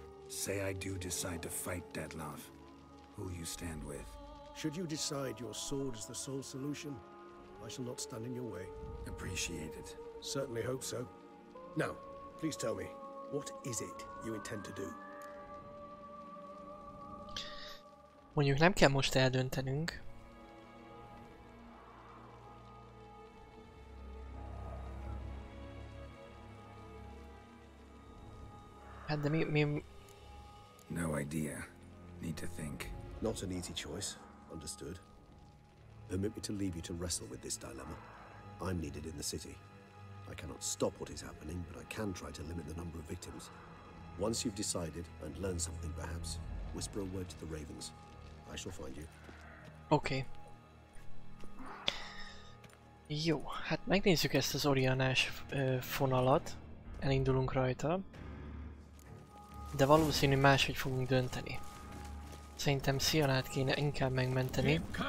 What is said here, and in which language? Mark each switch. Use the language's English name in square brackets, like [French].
[English] Say I do decide to fight Detlef, who'll you stand with? Should you decide your sword is the sole solution, I shall not stand in your way. Appreciate it. Certainly hope so. Now, please tell me, what is it you intend to do? [Hungarian] Mondjuk nem kell most eldöntenünk. Hát de mi... [English] No idea. Need to think. Not an easy choice. Understood. Permit me to leave you to wrestle with this dilemma. I'm needed in the city. I cannot stop what is happening, but I can try to limit the number of victims. Once you've decided and learned something perhaps, whisper a word to the Ravens. I shall find you. Okay. [Hungarian] Jó, hát megnézzük ezt az Orianás fonalat. Elindulunk rajta. De valószínű máshogy fogunk dönteni. Szerintem Szionát kéne inkább megmenteni.